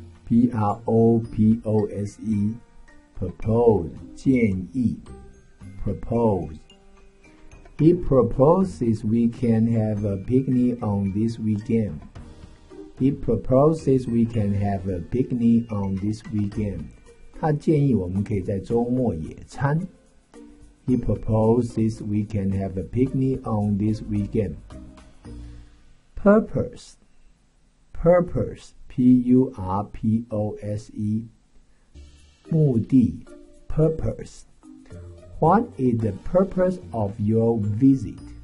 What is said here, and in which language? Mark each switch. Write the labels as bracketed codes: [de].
[en] P-R-O-P-O-S-E, propose, 建议。propose. He proposes we can have a picnic on this weekend. He proposes we can have a picnic on this weekend. [zh] 他建议我们可以在周末野餐。 [en] He proposes we can have a picnic on this weekend. Purpose. Purpose. P-U-R-P-O-S-E. 目的 Purpose. What is the purpose of your visit?